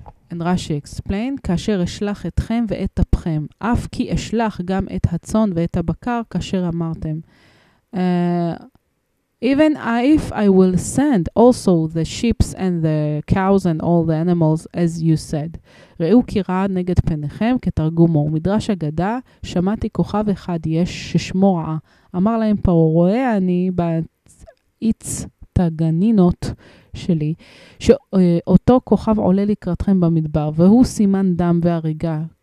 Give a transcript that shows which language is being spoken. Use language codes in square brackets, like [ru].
[en] And Rashi explained, [he] כאשר אשלח אתכם ואת אפכם, אף כי אשלח גם את הצון ואת הבקר, כאשר אמרתם. [en] Even if I will send also the sheep and the cows and all the animals, as you said. [he] ראו כי רעה נגד פניכם, כתרגומו. מדרש אגדה, שמעתי כוכב אחד יש ששמו רעה. אמר להם פרעה, רואה אני בעץ תגנינות שלי, שאותו כוכב עולה לקראתכם במדבר, והוא סימן דם והריגה.